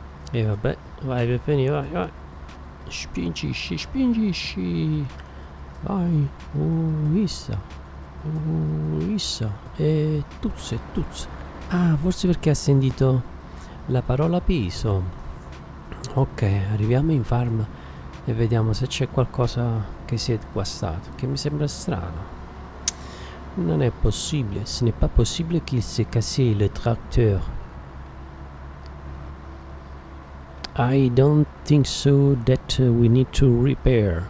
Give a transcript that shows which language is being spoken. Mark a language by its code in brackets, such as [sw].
[it] E vabbè, vai Peppini, vai, vai. Spingisci, spingisci. Vai. Issa. Issa. E tuzze, tuzze. Ah, forse perché ha sentito la parola piso. Ok, arriviamo in farm e vediamo se c'è qualcosa che si è guastato, che mi sembra strano. Non è possibile, [fr] ce n'est pas possible qu'il s'est cassé le tracteur. [en] I don't think so that we need to repair.